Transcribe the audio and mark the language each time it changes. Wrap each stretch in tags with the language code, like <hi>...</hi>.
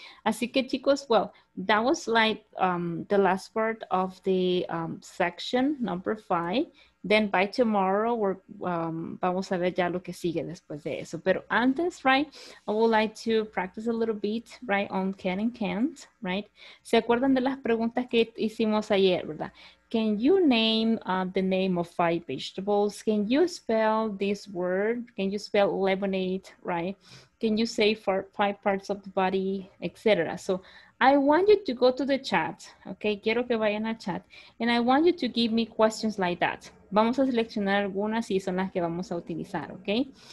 <es>Así que chicos,</es> <en>well, that was like the last part of the section number five. Then by tomorrow,</en> <es>vamos a ver ya lo que sigue después de eso. Pero antes,</es> <en>right, I would like to practice a little bit, right, on can and can't, right?</en> <es>¿Se acuerdan de las preguntas que hicimos ayer, verdad?</es> <en>Can you name the name of five vegetables? Can you spell this word? Can you spell lemonade, right? Can you say for five parts of the body, etc. So I want you to go to the chat, okay?</en> <es>Quiero que vayan al chat.</es> <en>And I want you to give me questions like that.</en> <es>Vamos a seleccionar algunas y son las que vamos a utilizar, okay?</es>